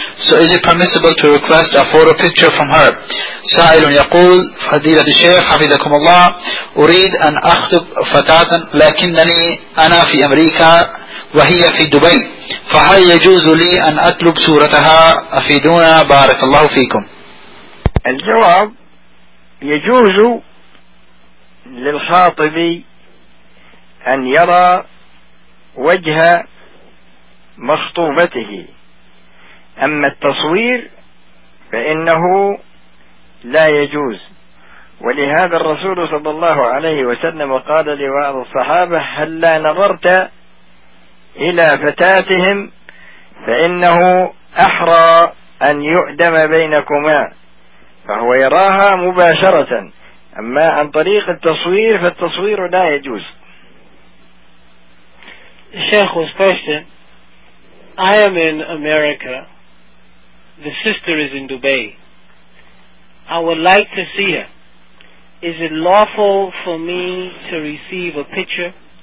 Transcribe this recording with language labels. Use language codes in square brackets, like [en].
[en] So is it permissible to request a photo picture from her? [ar] Sa'ilun yaqul, Fadila al-Shaykh, Hafizakum Allah, Urid an akhtub fatatan, lakinnani ana fi America, وهي في دبي فهل يجوز لي أن أطلب صورتها أفيدونا بارك الله فيكم الجواب يجوز للخاطب أن يرى وجه مخطوبته أما التصوير فإنه لا يجوز ولهذا الرسول صلى الله عليه وسلم قال لبعض الصحابة هل لا نظرت إلى فتاتهم فإنه أحرى أن يؤدم بينكما فهو يراها مباشرة أما عن طريق التصوير فالتصوير لا يجوز [en] The Sheikh was question I am in America The sister is in Dubai I would like to see her Is it lawful for me to receive a picture?